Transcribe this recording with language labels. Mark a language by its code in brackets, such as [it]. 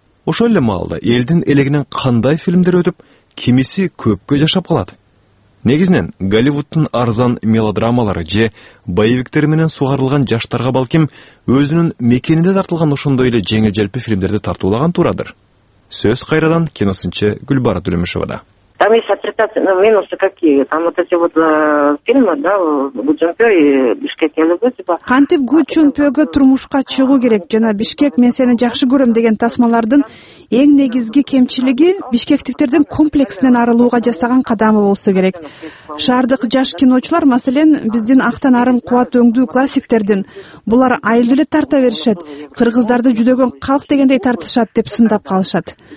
[ky] Ошол эле маалда элдин элегинен кандай фильмдер өтүп, кимиси көпкө жашап калат? Негизинен Голливудтун арзан мелодрамалары же боевиктери менен сугарылган жаштарга балким өзүнүн мекенинде тартылган ошондой эле жеңил-желпи фильмдерди тартуулаган туурадыр. Сөз кайрадан киносунчу Гүлбара Түлөмүшовада. [ru] Там есть отрицательные минусы какие? Там вот эти вот фильмы, да, Гучунпё и Бишкек я люблю, типа... [ky] Кантип Гучунпёга турмушка чыгу керек, жана Бишкек мен сени жакшы көрөм деген тасмалардын эң негизги кемчилиги бишкектиктердин комплексинен арылууга жасаган кадамы болсо керек. Шаардык жаш киночулар, маселен, биздин Актан Арым Кубат өңдүү классиктердин, булар айылды тарта беришет, кыргыздарды жүдөгөн калк дегендей тартышат деп сындап калышат.